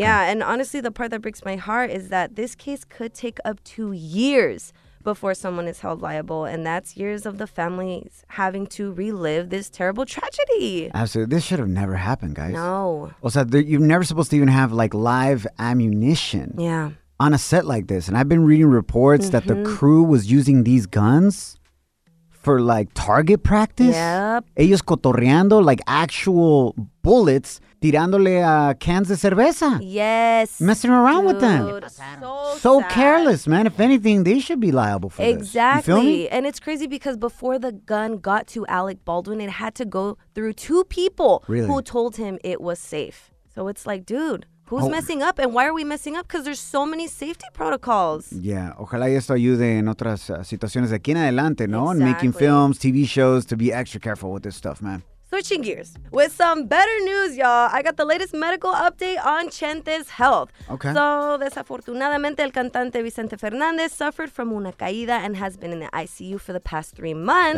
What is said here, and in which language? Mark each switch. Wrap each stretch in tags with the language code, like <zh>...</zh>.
<en>Yeah, and honestly, the part that breaks my heart is that this case could take up 2 years before someone is held liable, and that's years of the families having to relive this terrible tragedy. Absolutely. This should have never happened, guys. No. Also, you're never supposed to even have, like, live ammunition. Yeah. On a set like this, and I've been reading reports that the crew was using these guns for, like, target practice. Yep.</en> <es>Ellos cotorreando,</es> <en>like, actual bullets</en> <es>tirándole a cans de cerveza.</es> <en>Yes. Messing around with them. So careless, man. If anything, they should be liable for this. Exactly. And it's crazy because before the gun got to Alec Baldwin, it had to go through two people who told him it was safe. So it's like, dude, who's messing up and why are we messing up? Because there's so many safety protocols. Yeah.</en> <es>Ojalá y esto ayude en otras situaciones de aquí en adelante, ¿no?</es> <en>Exactly. And making films, TV shows, to be extra careful with this stuff, man. Switching gears. With some better news, y'all, I got the latest medical update on Chente's health. Okay. So,</en> <es>desafortunadamente, el cantante</es> <en>Vicente Fernández suffered from</en> <es>una caída</es> <en>and has been in the ICU for the past 3 months.</en>